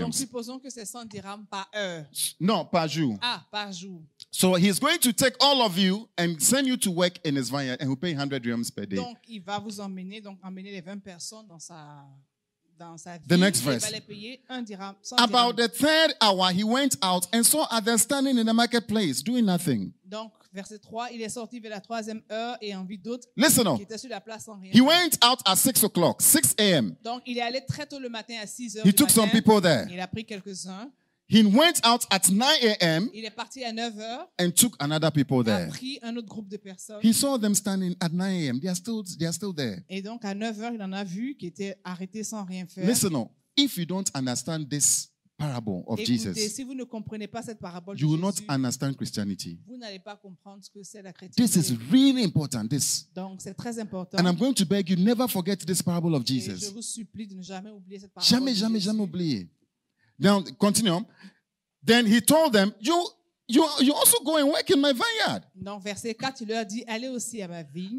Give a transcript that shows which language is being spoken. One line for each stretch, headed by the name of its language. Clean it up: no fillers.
French: Donc supposons que c'est 100 dirhams par heure. Non, par jour. Ah, par jour.
English: So he's going to take all of you and send you to work in his vineyard and he'll pay 100 dirhams per day.
French: Donc il va vous emmener, donc emmener les 20 personnes dans sa vie.
English: The next verse.
French: Il va les payer 100 dirhams.
English: About the third hour, he went out and saw others standing in the marketplace doing nothing.
French: Donc verset 3, il est sorti vers la troisième heure et en vit d'autres
English: Listen
French: qui
English: on.
French: Étaient sur la place sans rien.
English: He went out at 6 o'clock, 6 a.m.
French: Donc il est allé très tôt le matin à 6 heures
English: He
French: du
English: took
French: matin.
English: Some people there.
French: Il a pris quelques-uns.
English: He went out at 9 a.m.
French: Il est parti à 9 heures.
English: And took another people there.
French: Il a pris un autre groupe de personnes.
English: He saw them standing at 9 a.m. They are still there.
French: Et donc à 9 heures, il en a vu qui étaient arrêtés sans rien faire.
English: Listen on. If you don't understand this parable of
French: Écoutez,
English: Jesus.
French: Si vous ne comprenez pas cette parabole de
English: you will
French: Jésus,
English: not understand Christianity.
French: Vous n'allez pas comprendre ce que c'est la chrétienté.
English: This is really important. This.
French: Donc, c'est très important.
English: And I'm going to beg you never forget this parable of Jesus.
French: Et je vous supplie de ne jamais oublier cette parabole. Jamais oublier.
English: Now, continue. Then he told them, you also go and work in my vineyard.
French: Donc, verset 4, il leur dit, allez aussi à ma vigne.